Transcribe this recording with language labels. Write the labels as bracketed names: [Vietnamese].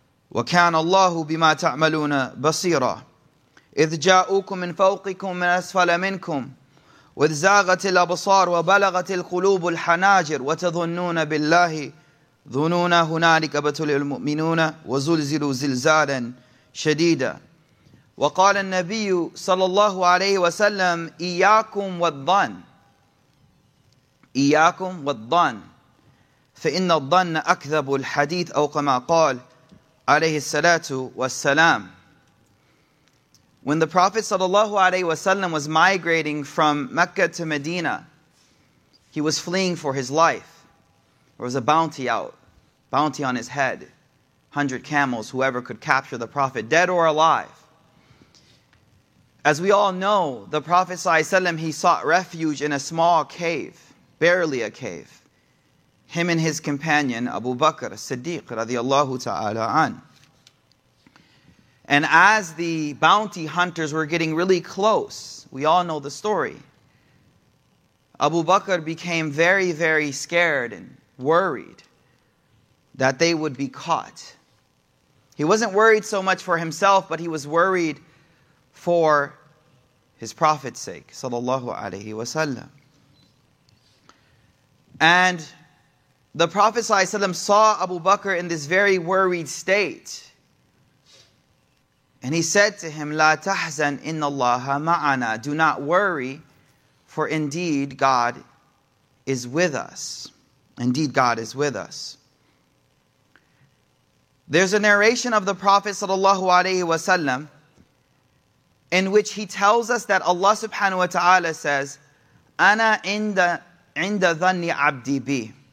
[Arabic] وكان الله بما تعملون بصيرا إذ جاءوكم من فوقكم من أسفل منكم وإذ زاغت الأبصار وبلغت القلوب الحناجر وتظنون بالله ظنونا هنالك ابتلي المؤمنون وزلزلوا زلزالا شديدا وقال النبي صلى الله عليه وسلم إياكم والظن إياكم والظن فإن الظن أكذب الحديث أو كما قال عليه الصلاة والسلام. [English] When the Prophet [Arabic] صلى الله عليه وسلم [English] was migrating from Mecca to Medina, he was fleeing for his life. There was a bounty out, bounty on his head, 100 camels, whoever could capture the Prophet, dead or alive. As we all know, the Prophet ﷺ, he sought refuge in a small cave, barely a cave. Him and his companion, Abu Bakr as-Siddiq, radiallahu ta'ala an. And as the bounty hunters were getting really close, we all know the story. Abu Bakr became very, very scared and worried that they would be caught. He wasn't worried so much for himself, but he was worried for his Prophet's sake, sallallahu alayhi wa sallam. And the Prophet sallallahu alayhi wa sallam saw Abu Bakr in this very worried state. And he said [Arabic] to him, لا تحزن إن الله معنا. [English] Do not worry, for indeed God is with us. Indeed God is with us. There's a narration of the Prophet sallallahu alayhi wa sallam in which he tells us that Allah subhanahu wa ta'ala says, [Arabic] أَنَا عِنْدَ ذَنِّ عَبْدِ بِي.